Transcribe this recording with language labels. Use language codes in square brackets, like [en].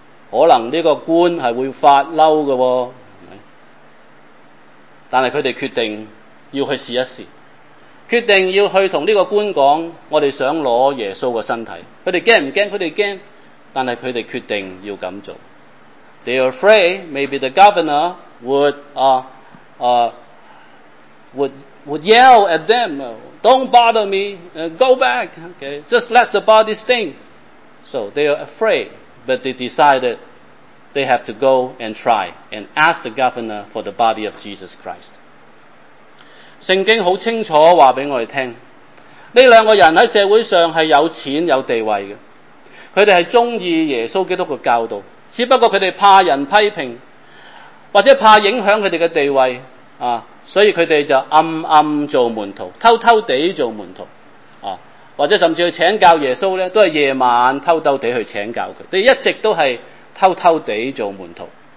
[yue] 可能呢个官系会发嬲嘅，但系佢哋决定要去试一试，决定要去同呢个官讲，我哋想攞耶稣嘅身体。佢哋惊唔惊？佢哋惊，但系佢哋决定要咁做。 [en] They are afraid maybe the governor would yell at them, "Don't bother me, go back, okay? Just let the body stink." So they are afraid, but they decided they have to go and try and ask the governor for the body of Jesus Christ. [yue] 聖經好清楚話俾我哋聽，呢兩個人喺社會上係有錢有地位嘅，佢哋係鍾意耶穌基督嘅教導，只不過佢哋怕人批評或者怕影響他們的地位，所以他們就暗暗做門徒，偷偷地做門徒，或者甚至去請教耶穌都是夜晚偷偷地去請教他，他一直都是偷偷地做門徒。